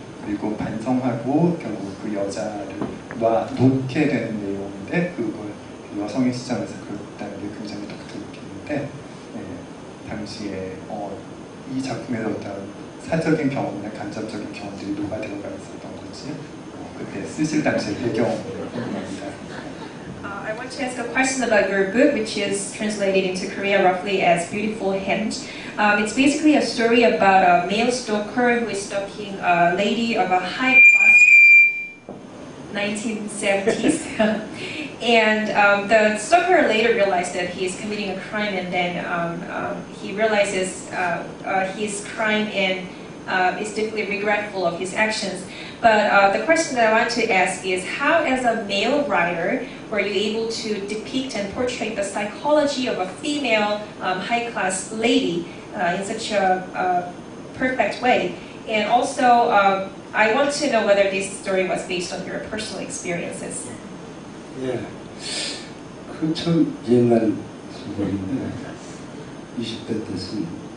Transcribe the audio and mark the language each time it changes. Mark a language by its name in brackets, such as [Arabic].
[Korean] 그리고 반성하고 결국 그 여자를 놓게 되는 내용인데 그걸 여성의 시점에서 그렸다는 게 굉장히 독특했는데 당시에 이 작품에서 어떤 사적인 경험이나 간접적인 경험들이 녹아들어가 있었던 거지 그때 쓰실 당시의 배경을 궁금합니다. [English] I want to ask a question about your book, which is translated into Korean roughly as Beautiful Hand. It's basically a story about a male stalker who is stalking a lady of a high class 1970s. And the stalker later realized that he is committing a crime, and then he realizes his crime and is deeply regretful of his actions. But the question that I want to ask is, how as a male writer were you able to depict and portray the psychology of a female high-class lady in such a perfect way? And also, I want to know whether this story was based on your personal experiences. Yeah. [Korean] 그 참 옛날 소설인데, 20대 때 쓴